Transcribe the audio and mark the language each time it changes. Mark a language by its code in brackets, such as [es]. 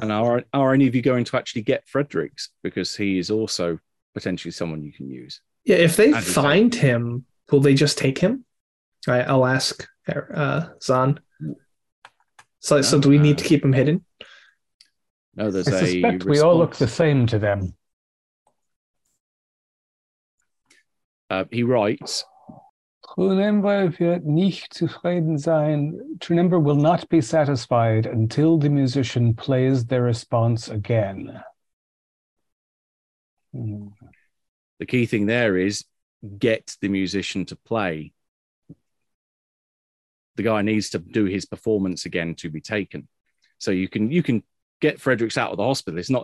[en] And are any of you going to actually get Fredericks? Because he is also potentially someone you can use. Yeah, if they find him, will they just take him? I'll ask Zahn. So do we need to keep him hidden? No, there's I suspect we all look the same to them. He writes, [de] Trunember wird nicht zufrieden sein. [en] Trunember will not be satisfied until the musician plays their response again. The key thing there is get the musician to play. The guy needs to do his performance again to be taken. So you can get Fredericks out of the hospital.